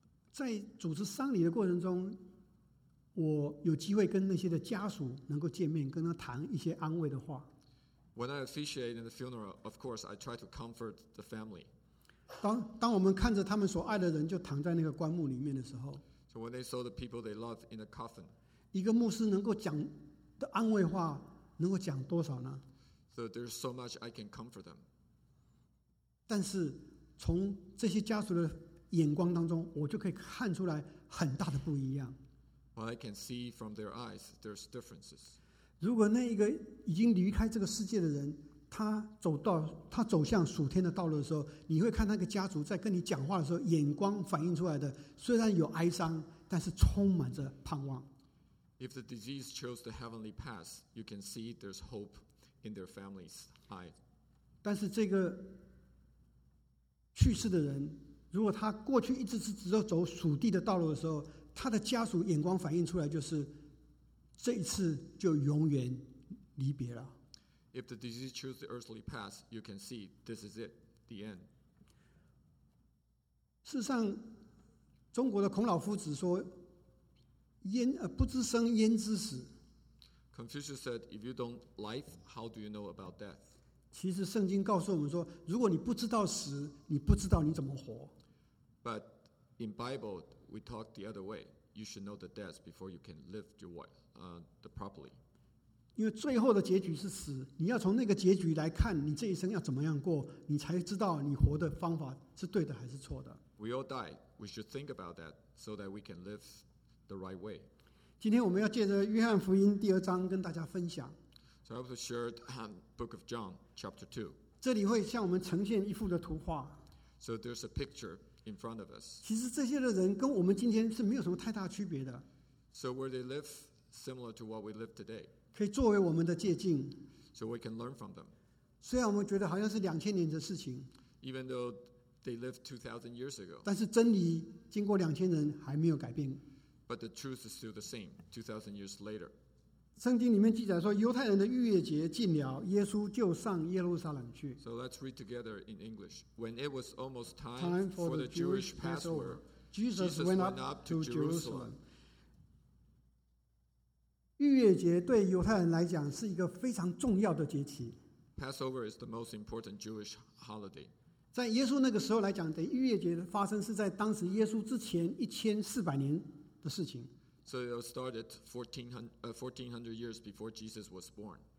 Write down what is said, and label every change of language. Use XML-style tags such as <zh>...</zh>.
<zh>在主持丧礼的过程中，我有机会跟那些的家属能够见面，跟他谈一些安慰的话。</zh> <en>When I officiated in the funeral, of course, I tried to comfort the family.</en> <zh>当我们看着他们所爱的人就躺在那个棺木里面的时候</zh> <en>，So when they saw the people they love in the coffin,</en> <zh>一个牧师能够讲的安慰话能够讲多少呢</zh> <en>？So there's so much I can comfort them.</en> <zh>但是从这些家属的眼光当中，我就可以看出来很大的不一样。</zh> <en>But I can see from their eyes, there's differences.</en> <zh>如果那一个已经离开这个世界的人，他走向属天的道路的时候，你会看那个家族在跟你讲话的时候，眼光反映出来的虽然有哀伤，但是充满着盼望。</zh> <en>If the deceased chose the heavenly path, you can see there's hope in their family's eyes.</en> <zh>但是这个去世的人，如果他过去一直是只有走属地的道路的时候，他的家属眼光反映出来就是这一次就永远离别了。</zh> <en>If the disease chose the earthly path, you can see this is it, the end.</en> <zh>事实上，中国的孔老夫子说，不知生焉知死。</zh> <en>Confucius said, if you don't life, how do you know about death?</en> <zh>其实圣经告诉我们说，如果你不知道死，你不知道你怎么活。</zh> <en>But in Bible, we talk the other way. You should know the death before you can live your life, properly.</en> <zh>因为最后的结局是死，你要从那个结局来看你这一生要怎么样过，你才知道你活的方法是对的还是错的。</zh> <en>We all die. We should think about that so that we can live the right way.</en> <zh>今天我们要借着约翰福音第二章跟大家分享。</zh> <en>So I want to share the book of John, chapter 2.</en> <zh>这里会向我们呈现一幅的图画。</zh> <en>So there's a picture in front of us.</en> <zh>其实这些的人跟我们今天是没有什么太大区别的。</zh> <en>So where they live, similar to what we live today.</en> <zh>可以作为我们的借镜。</zh> <en>So we can learn from them.</en> <zh>虽然我们觉得好像是2000年的事情。</zh> <en>Even though they lived 2,000 years ago.</en> <zh>但是真理经过2000年还没有改变。</zh> <en>But the truth is still the same, 2,000 years later.</en> <zh>圣经里面记载说，犹太人的逾越节近了，耶稣就上耶路撒冷去。</zh> <en>So let's read together in English. When it was almost time for the Jewish Passover, Jesus went up to Jerusalem.</en> <zh>逾越节对犹太人来讲是一个非常重要的节期。</zh> <en>Passover is the most important Jewish holiday.</en> <zh>在耶稣那个时候来讲，等于逾越节的发生是在当时耶稣之前1400年的事情。</zh> <en>So it started 1400 years before Jesus was born.</en>